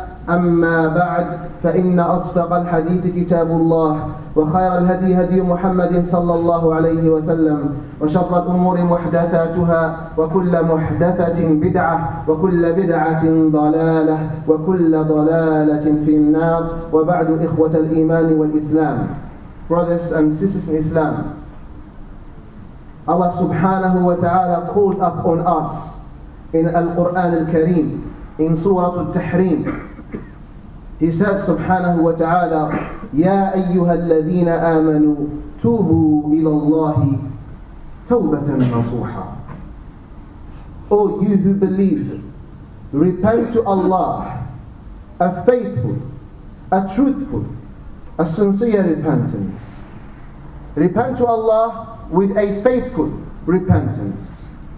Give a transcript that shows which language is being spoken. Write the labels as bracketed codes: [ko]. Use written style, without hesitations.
[ar] أما بعد، فإن أصدق الحديث كتاب الله، وخير الهدي هدي محمد صلى الله عليه وسلم، وشر الأمور محدثاتها، وكل محدثة بدعة، وكل بدعة ضلالة، وكل ضلالة في النار. وبعد، إخوة الإيمان والإسلام، [en] brothers and sisters in Islam, Allah subhanahu wa ta'ala called up on us in Al-Qur'an al-Kareem, in Surah al-Tahrim. He says subhanahu wa ta'ala, [ar] يَا أَيُّهَا الَّذِينَ آمَنُوا تُوبُوا إِلَى اللَّهِ تَوْبَةً نَصُوحًا. [en] O you who believe, repent to Allah, a faithful, a truthful, a sincere repentance. Repent to Allah with a faithful repentance.